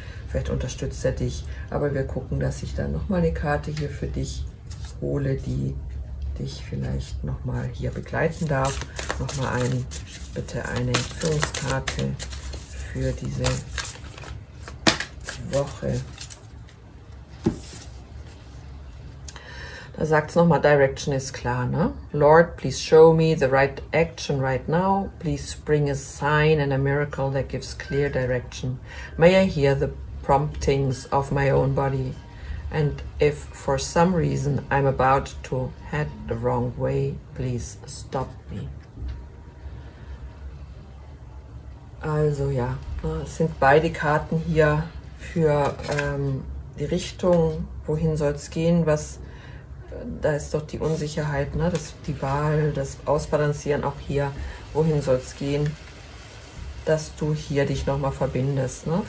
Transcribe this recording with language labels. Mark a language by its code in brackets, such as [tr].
[de] Vielleicht unterstützt er dich. Aber wir gucken, dass ich dann nochmal eine Karte hier für dich hole, die dich vielleicht nochmal hier begleiten darf. Nochmal bitte eine Führungskarte für diese Woche. Da sagt es nochmal, Direction ist klar, ne? [en] Lord, please show me the right action right now. Please bring a sign and a miracle that gives clear direction. May I hear the promptings of my own body? And if for some reason I'm about to head the wrong way, please stop me. [de] Also ja, es sind beide Karten hier für die Richtung, wohin soll es gehen, da ist doch die Unsicherheit, ne? Die Wahl, das Ausbalancieren auch hier, wohin soll es gehen, dass du hier dich nochmal verbindest, ne?